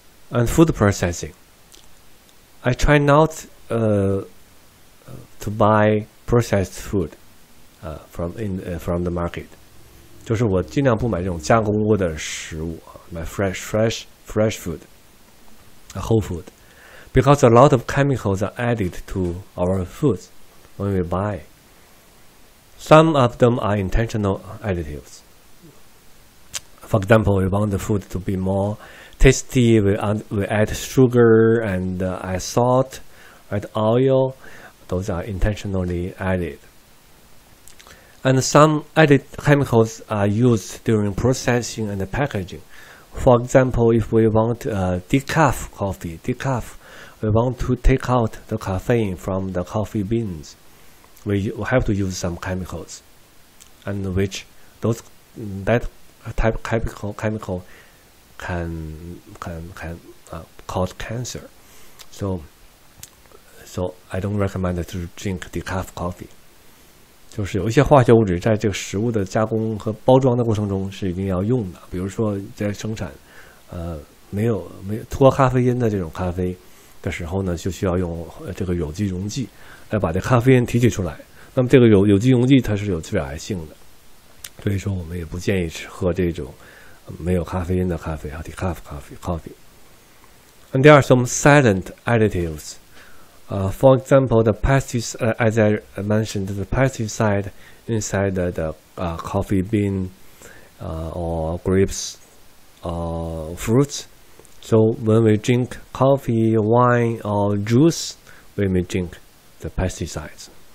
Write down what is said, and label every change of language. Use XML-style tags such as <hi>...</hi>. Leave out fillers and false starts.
<en>And food processing. I try not to buy processed food from the market.</en> <zh>就是我尽量不买这种加工过的食物。</zh> <en>My fresh food, whole food, because a lot of chemicals are added to our foods when we buy. Some of them are intentional additives. For example, we want the food to be more tasty. We add sugar and salt, add oil. Those are intentionally added. And some added chemicals are used during processing and packaging. For example, if we want decaf coffee, we want to take out the caffeine from the coffee beans, we have to use some chemicals, and that type of chemical can cause cancer. So I don't recommend to drink decaf coffee.</en> <zh>就是有一些化学物质在这个食物的加工和包装的过程中是一定要用的，比如说在生产没有脱咖啡因的这种咖啡的时候呢，就需要用这个有机溶剂来把这咖啡因提取出来，那么这个有机溶剂它是有致癌性的，所以说我们也不建议喝这种没有咖啡因的咖啡啊 decaf coffee.</zh> <en>And there are some silent additivesFor example, the pesticide, as I mentioned, the pesticide inside the coffee bean, or grapes, or fruits. So when we drink coffee, wine, or juice, we may drink the pesticides.</en>